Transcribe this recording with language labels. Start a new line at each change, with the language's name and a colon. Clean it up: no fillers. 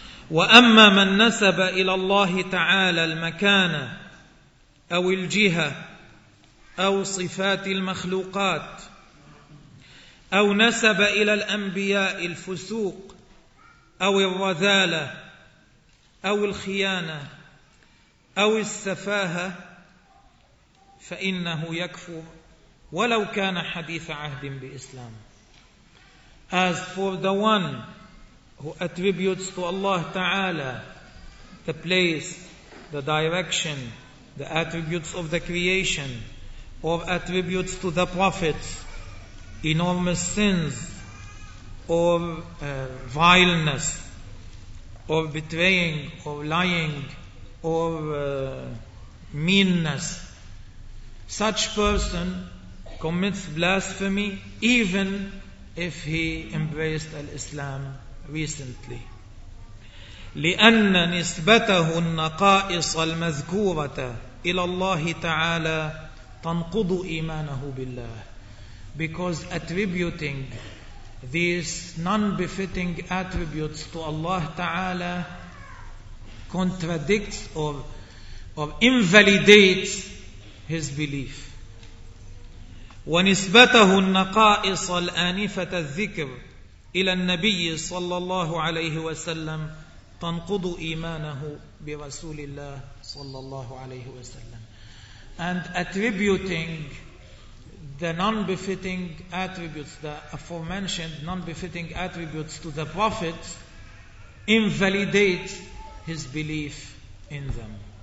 Arabic: وأما من نسب إلى الله تعالى المكانة أو الجهة أو صفات المخلوقات أو نسب إلى الأنبياء الفسوق أو الرذالة أو الخيانة أو السفاهة فإنه يكفر ولو كان حديث عهد بإسلام.
English: As for the one who attributes to Allah Ta'ala the place, the direction, the attributes of the creation, or attributes to the prophets enormous sins, or vileness, or betraying, or lying, or meanness, such person commits blasphemy even if he embraced al-Islam recently.
Arabic: لأن نسبته النقائص المذكورة إلى الله تعالى تنقض إيمانه بالله.
English: Because attributing these non-befitting attributes to Allah Ta'ala contradicts or invalidates his belief.
Arabic: ونسبته النقائص الآنفة الذكر إلى النبي صلى الله عليه وسلم تنقض إيمانه برسول الله صلى الله عليه وسلم.
English: And attributing the non-befitting attributes, the aforementioned non-befitting attributes to the Prophet invalidates his belief in them.